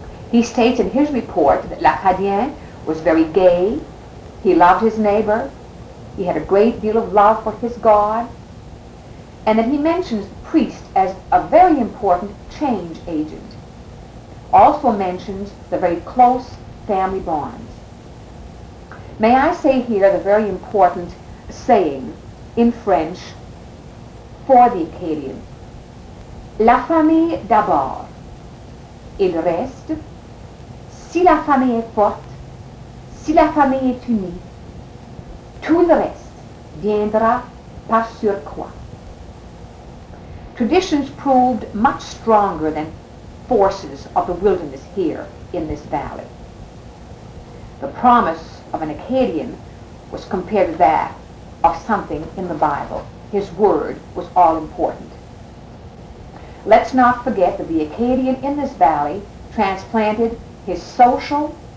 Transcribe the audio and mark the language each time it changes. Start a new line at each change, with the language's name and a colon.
English: He states in his report that L'Acadien was very gay, he loved his neighbor, he had a great deal of love for his God, and that he mentions priest as a very important change agent. Also mentions the very close family bond. May I say here the very important saying in French for the Acadian?
French: La famille d'abord, il reste. Si la famille est forte, si la famille est unie, tout le reste viendra par surcroît.
English: Traditions proved much stronger than forces of the wilderness here in this valley. The promise of an Acadian was compared to that of something in the Bible. His word was all important. Let's not forget that the Acadian in this valley transplanted his social,